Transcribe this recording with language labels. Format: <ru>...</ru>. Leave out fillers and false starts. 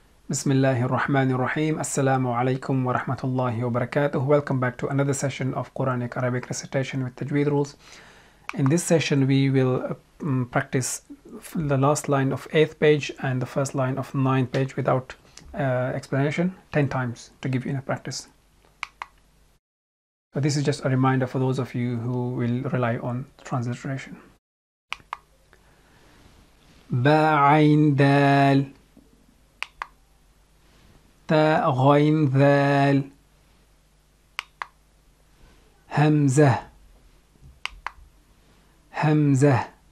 <ar>بسم الله الرحمن الرحيم السلام عليكم ورحمة الله وبركاته.</ar> <en>Welcome back to another session of Quranic Arabic recitation with Tajweed rules. In this session, we will practice the last line of 8th page and the first line of 9th page without explanation 10 times to give you enough practice. But this is just a reminder for those of you who will rely on transliteration.</en> <ar>Ba'indal تاء غين ذال همزة همزة</ar>